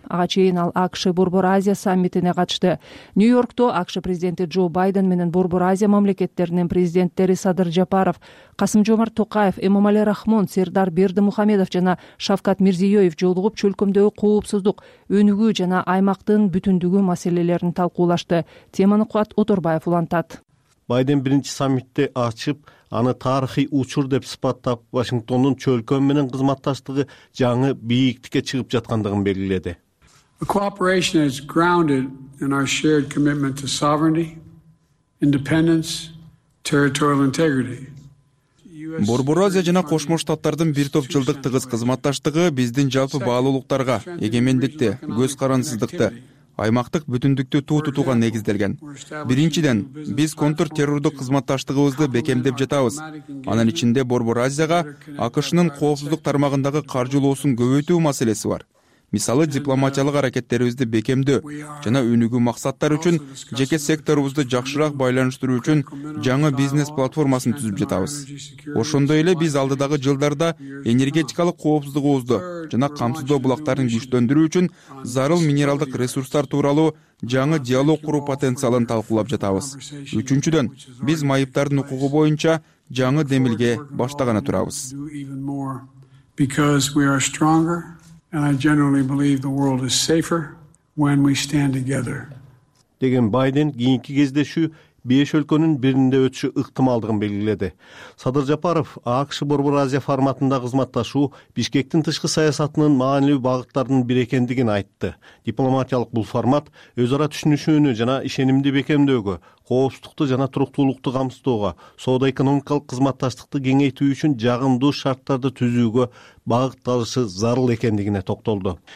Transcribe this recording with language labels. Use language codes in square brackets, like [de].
[ky] Ага чейин ал АКШ Борбор Азия саммитине катышты. Нью-Йоркто АКШ президенти Джо Байден менен Борбор Азия мамлекеттеринин президенттери Садыр Жапаров, Касым Жомарт Токаев, Эмомали Рахмон, Сердар Бердимухамедов жана Шавкат Мирзиёев жолугуп, чөлкөмдөгү коопсуздук, өнүгүү жана аймактын бүтүндүгү маселелерин талкуулашты. Теманы Кубат Оторбаев улантат. Байден биринчи саммитти ачып, аны тарыхый учур деп сыпаттап, Вашингтондун чөлкөм менен кызматташтыгы жаңы бийиктикке чыгып жаткандыгын белгиледи. [en] The cooperation is grounded in our shared commitment to sovereignty, independence, territorial integrity. [ky] Борбор Азия жана Кошмо Штаттардын бир топ жылдык тыгыз кызматташтыгы биздин жалпы баалуулуктарга, эгемендикте, көз карансыздыкта, аймактык бүтүндүктү туу тутууга негизделген. Биринчиден, биз контртеррордук кызматташтыгыбызды бекемдеп жатабыз. Анын ичинде Борбор Азияга АКШнын коопсуздук тармагындагы каржылоосун көбөйтүү маселеси бар. Мисалы, дипломатиялык аракеттерибизди бекемдөө жана өнүгүү максаттар үчүн жеке секторубузду жакшыраак байланыштыруу үчүн жаңы бизнес платформасын түзүп жатабыз. Ошондой эле биз алдыдагы жылдарда энергетикалык коопсуздугубузду жана камсыздоо булактарын күчтөндүрүү үчүн зарыл минералдык ресурстар тууралуу жаңы диалог куруу потенциалын талкуулап жатабыз. Үчүнчүдөн, биз майыптардын укугу боюнча жаңы демилге баштаганы турабыз. [en] And I generally believe the world is safer when we stand together. [ky] Деген Байден кийинки кездешүү 5 өлкөнүн биринде өтүшү ыктымалдыгын белгиледи. Садыр Жапаров АКШ Борбор Азия форматында кызматташуу Бишкектин тышкы саясатынын маанилүү багыттарынын бири экендигин айтты. Дипломатиялык бул формат өз ара түшүнүшүүнү жана ишенимди бекемдөөгө, коопсуздукту жана туруктуулукту камсыздоого, соода экономикалык кызматташтыкты кеңейтүү үчүн жагымдуу шарттарды түзүүгө багытталышы зарыл экендигине токтолду.